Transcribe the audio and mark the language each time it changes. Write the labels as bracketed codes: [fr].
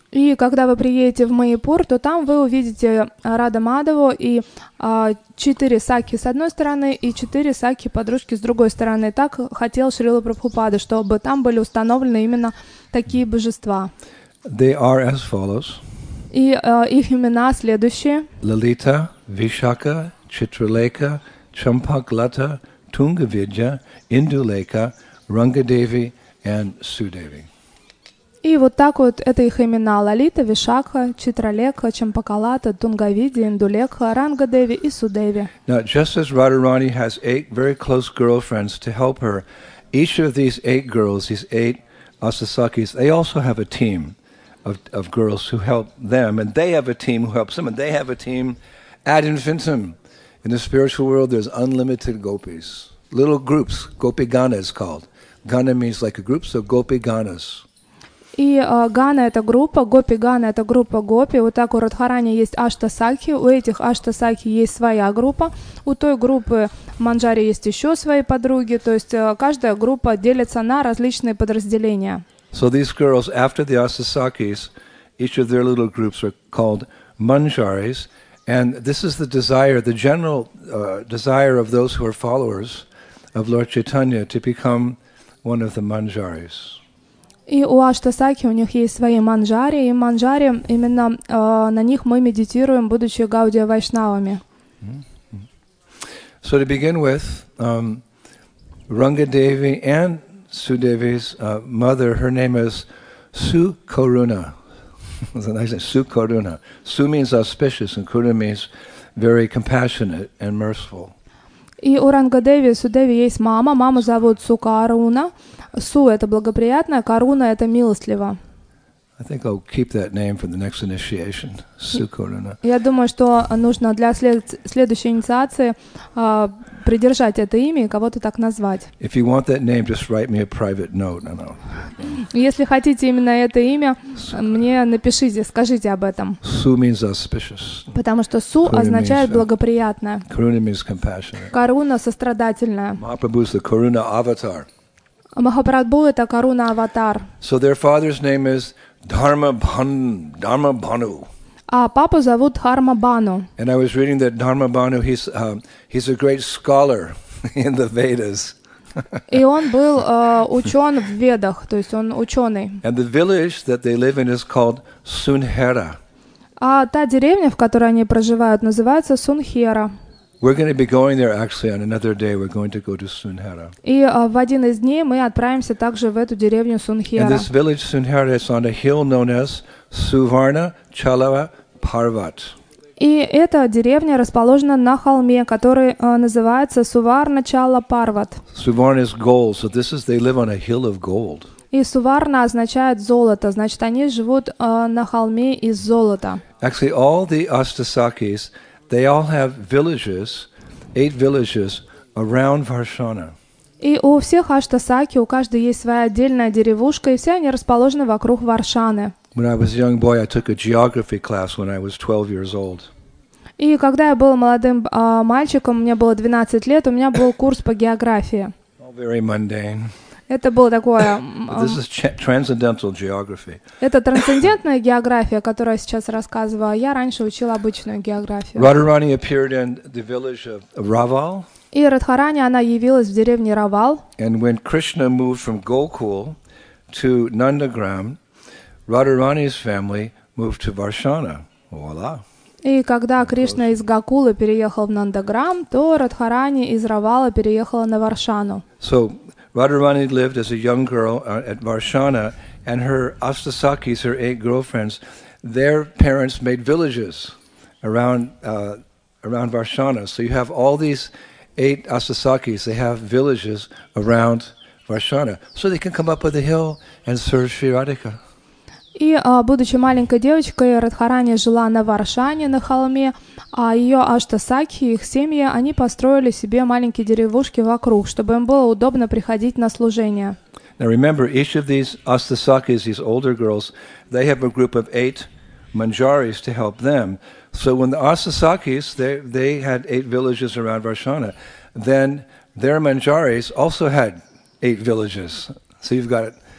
[ru] И когда вы приедете в Майяпур, то там вы увидите Радха Мадхаву и четыре Саки с одной стороны и четыре Саки подружки с другой стороны. Так хотел Шрила Прабхупада, чтобы там были установлены именно такие божества. [en] They are as follows. [ru] И их имена следующие: Лалита, Вишака, Читралека, Чампаклата, Тунгавиджа, Индулейка, Рангадеви и Судеви. И вот так вот это их имена: Лалита, Вишака, Читралека, Чампакалата, Тунгавиджа, Индулейка, Рангадеви и Судеви. [en] Now, just as Radharani has eight very close girlfriends to help her, each of these eight girls, these eight Ashtasakis, they also have a team of girls who help them, and they have a team who helps them, and they have a team ad infinitum. In the spiritual world, there's unlimited gopis, little groups. Gopi gana is called. Gana means like a group, so gopi ganas. [ru] И гана — это группа, гопи гана — это группа гопи. Вот так у Радхарани есть аштасаки, у этих аштасаки есть своя группа. У той группы Манджари есть еще свои подруги. То есть каждая группа делится на различные подразделения. [en] So these girls, after the aštasakis, each of their little groups are called manjaris. And this is the desire, the general desire of those who are followers of Lord Chaitanya to become one of the manjaris. [ru] И у Аштасаки у них есть свои манджари, и манджари именно на них мы медитируем, будучи гаудия вайшнавами. [en] So to begin with, Рангадеви and Судеви's mother, her name is Sukaruna. That's a nice name, Sukaruna. Su means auspicious, and Karuna means very compassionate and merciful. [ru] И у Рангадеви, Судеви есть мама. Маму зовут Сукаруна. Су — это благоприятное, Каруна — это милостливо. [en] I think I'll keep that name for the next initiation, Sukaruna. [ru] Я думаю, что нужно для следующей инициации придержать это имя и кого-то так назвать. [en] If you want that name, just write me a private note. No, no. [ru] Если хотите именно это имя, Sukaruna, мне напишите, скажите об этом. [en] Su means auspicious. [ru] Потому что su означает благоприятное. [en] Karuna means compassionate. [ru] Каруна — сострадательная. [en] Mahaprabhu is the Karuna avatar. [ru] Махапрабху — это Каруна аватар. [en] So their father's name is Dharma Bhanu. [ru] А папу зовут Дхарма Бану. [en] And I was reading that Dharma Bhanu, he's a great scholar in the Vedas. [ru] И он был учен в Ведах, то есть он ученый. [en] And the village that they live in is called Sunhera. [ru] А та деревня, в которой они проживают, называется Сунхера. [en] We're going to be going there actually on another day. We're going to go to Sunhera. [ru] И в один из дней мы отправимся также в эту деревню Сунхера. [en] And this village Sunhera is on a hill known as Suvarna Chalava Parvat. [ru] И эта деревня расположена на холме, который называется Suvarna Chala Parvat. [en] Suvarna is gold, so this is they live on a hill of gold. [ru] И Suvarna означает золото, значит они живут на холме из золота. [en] Actually, all the Ashtasakis, they all have villages, eight villages around Varshana. [ru] И у всех Аштасаки, у каждой есть своя отдельная деревушка, и все они расположены вокруг Варшаны. [en] When I was a young boy, I took a geography class when I was 12 years old. [ru] И когда я был молодым мальчиком, мне было 12 лет, у меня был курс по географии. [en] All very mundane. [ru] Это было такое. [en] This is transcendental geography. [ru] Это трансцендентная география, которую я сейчас рассказываю. Я раньше учила обычную географию. [en] Radharani appeared in the village of Raval. [ru] И Радхарани, она явилась в деревне Равал. [en] And when Krishna moved from Gokul to Nandagram, Radharani's family moved to Varshana. Voila. [ru] И когда Кришна из Гокулы переехал в Нандаграм, то Радхарани из Равала переехала на Варшану. [en] So Radharani lived as a young girl at Varshana And her astasakis, her eight girlfriends, their parents made villages around around Varshana. So you have all these eight astasakis. They have villages around Varshana. So they can come up with a hill and serve Sri Radhika. [ru] И, будучи маленькой девочкой, Радхарани жила на Варшане, на холме, а ее аштасакхи, их семьи, они построили себе маленькие деревушки вокруг, чтобы им было удобно приходить на служение. [en] Now remember, each of these astasakhis, these older girls, they have a group of eight manjaris to help them. So when the astasakhis, they had eight villages around Varshana, then their manjaris also had eight villages. So you've got...